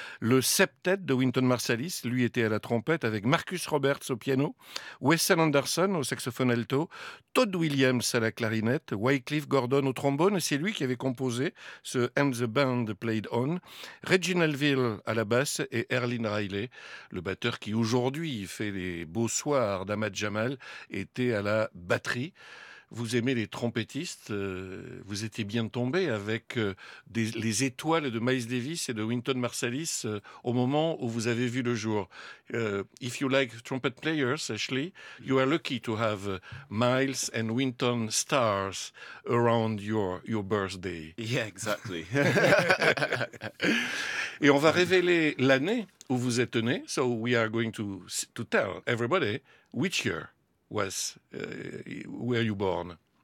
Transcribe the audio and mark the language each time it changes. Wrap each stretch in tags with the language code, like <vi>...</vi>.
<fr>Le septet de Winton Marsalis, lui était à la trompette avec Marcus Roberts au piano, Wesson Anderson au saxophone alto, Todd Williams à la clarinette, Wycliffe Gordon au trombone, et c'est lui qui avait composé ce And the Band Played On, Reginald Veal à la basse et Erlin Riley, le batteur qui aujourd'hui fait les beaux soirs d'Amad Jamal, était à la batterie. Vous aimez les trompettistes, vous étiez bien tombé avec les étoiles de Miles Davis et de Winton Marsalis au moment où vous avez vu le jour.</fr> <en>If you like trumpet players, Ashley, you are lucky to have Miles and Winton stars around your birthday. Yeah, exactly.</en> <fr>Et on va révéler l'année où vous êtes né.</fr> <en>So we are going to tell everybody which year was where you born.</en>